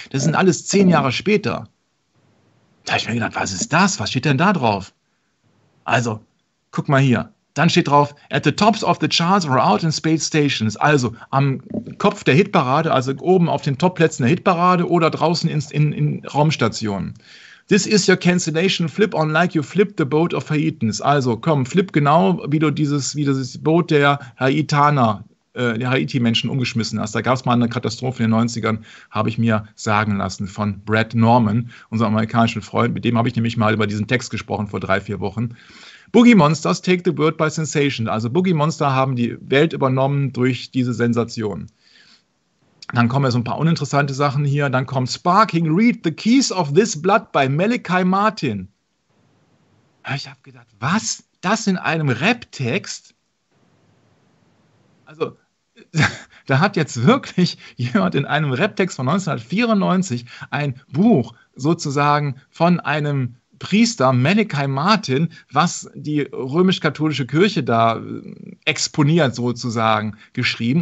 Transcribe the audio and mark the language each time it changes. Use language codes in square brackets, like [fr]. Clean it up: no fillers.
[de] Das sind alles 10 Jahre später. Da habe ich mir gedacht, was ist das? Was steht denn da drauf? Also, guck mal hier. Dann steht drauf, [en] at the tops of the charts or out in space stations, [de] also am Kopf der Hitparade, also oben auf den Topplätzen der Hitparade oder draußen in Raumstationen. [en] This is your cancellation, flip on like you flip the boat of Haitians. [de] Also komm, flip genau, wie dieses Boot der Haitianer, der Haiti-Menschen umgeschmissen hast. Da gab es mal eine Katastrophe in den 90ern, habe ich mir sagen lassen von Brad Norman, unserem amerikanischen Freund. Mit dem habe ich nämlich mal über diesen Text gesprochen vor 3-4 Wochen. [en] Boogie Monsters take the world by sensation. [de] Also Boogie Monster haben die Welt übernommen durch diese Sensation. Dann kommen ja so ein paar uninteressante Sachen hier. Dann kommt Sparking Read the Keys of This Blood by Malachi Martin. Ich habe gedacht, was? Das in einem Rap-Text? Also, da hat jetzt wirklich jemand in einem Rap-Text von 1994 ein Buch sozusagen von einem Priester Malachi Martin, was die römisch-katholische Kirche da exponiert sozusagen, geschrieben.